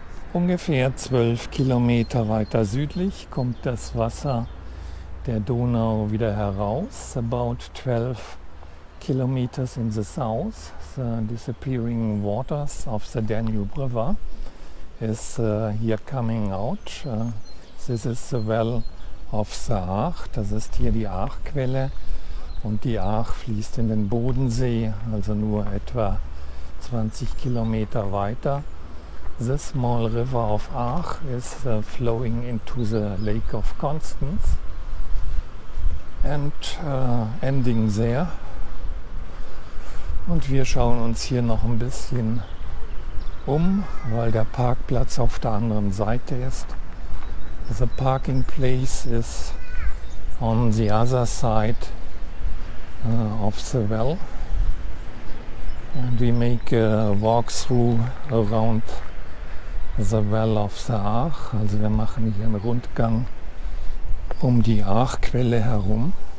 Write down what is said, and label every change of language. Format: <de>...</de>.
<de>Ungefähr 12 Kilometer weiter südlich kommt das Wasser der Donau wieder heraus.</de> <en>About 12 kilometers in the south, the disappearing waters of the Danube River is here coming out. This is the well of the Ach.</en> <de>Das ist hier die Achquelle und die Ach fließt in den Bodensee, also nur etwa 20 Kilometer weiter.</de> <en>The small river of Ach is flowing into the Lake of Constance and ending there.</en> <de>Und wir schauen uns hier noch ein bisschen um, weil der Parkplatz auf der anderen Seite ist.</de> <en>The parking place is on the other side of the well. And we make a walkthrough around the well of the Ach.</en> <de>Also wir machen hier einen Rundgang um die Achquelle herum.</de>